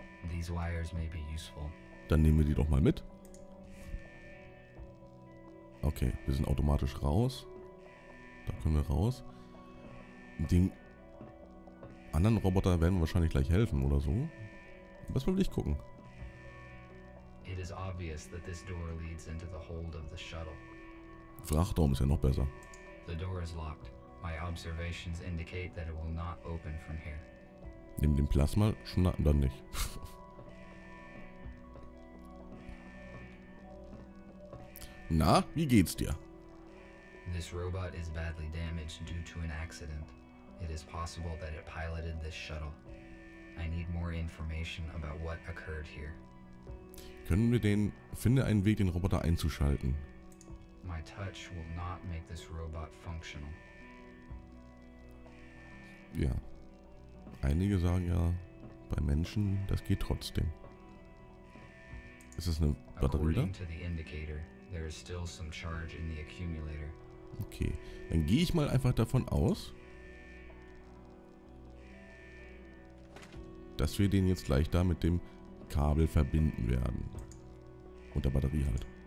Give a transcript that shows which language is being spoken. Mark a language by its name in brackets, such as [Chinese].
[English] These wires may be useful. [German] Dann nehmen wir die doch mal mit. Okay, wir sind automatisch raus. Da können wir raus. Den anderen Roboter werden wir wahrscheinlich gleich helfen oder so. Was will ich gucken? [English] It is obvious that this door leads into the hold of the shuttle. [German] Frachtraum ist ja noch besser. [English] The door is locked. My observations indicate that it will not open from here. [German] Nehmen den Plasma schnappen dann nicht. Na, wie geht's dir? [English] This robot is badly damaged due to an accident. It is possible that it piloted this shuttle. I need more information about what occurred here. [German] Können wir den... Finde einen Weg, den Roboter einzuschalten. [English] My touch will not make this robot functional. [German] Ja. Einige sagen ja, bei Menschen, das geht trotzdem. Ist das eine Batterie da? [English] According to the indicator, there is still some charge in the accumulator. [German] Okay. Dann gehe ich mal einfach davon aus, dass wir den jetzt gleich da mit dem Kabel verbinden werden. Und der Batterie halt.